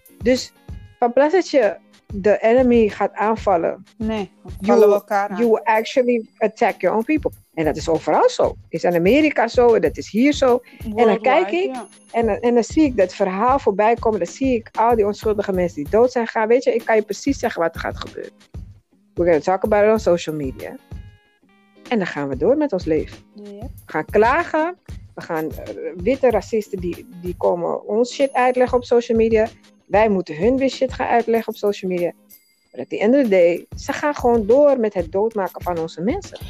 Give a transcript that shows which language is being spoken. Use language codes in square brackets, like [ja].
[nl] Dus van plaats dat je de enemy gaat aanvallen. Nee, vallen we elkaar aan. [en] You will actually attack your own people. [nl] En dat is overal zo. Is in Amerika zo, en dat is hier zo. [en] Worldwide, [nl] en dan kijk ik, en dan zie ik dat verhaal voorbij komen. Dan zie ik al die onschuldige mensen die dood zijn gegaan. Weet je, ik kan je precies zeggen wat er gaat gebeuren. [en] We're going to talk about it on social media. [nl] En dan gaan we door met ons leven. [en] Yeah. [nl] We gaan klagen. We gaan witte racisten, die komen ons shit uitleggen op social media. Wij moeten hun weer shit gaan uitleggen op social media. Maar [en] at the end of the day, [nl] ze gaan gewoon door met het doodmaken van onze mensen.